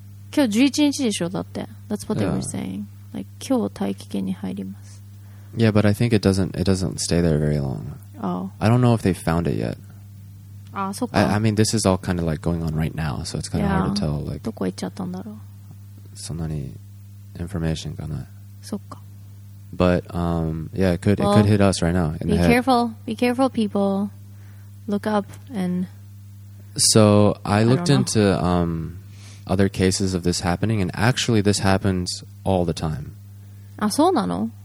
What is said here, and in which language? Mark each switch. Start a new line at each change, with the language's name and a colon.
Japanese: 今日11日でしょ、だって。
English: That's what they were saying.
Japanese: Like, 今日Taikiken に入ります。
English: Yeah, but I think it doesn't stay there very long. Oh. I don't know if they found it yet.
Japanese: Ah, そうか。
English: I mean, this is all kind of like going on right now, so it's kind of hard to tell. Like,
Japanese: どこ行っちゃったんだろう。そんなにインフォメーションかな。そっか。
English: But yeah, it could hit us right now. Be careful, people. Look up and. So I looked into other cases of this happening, and actually, this happens all the time.
Japanese: あ、そうなの？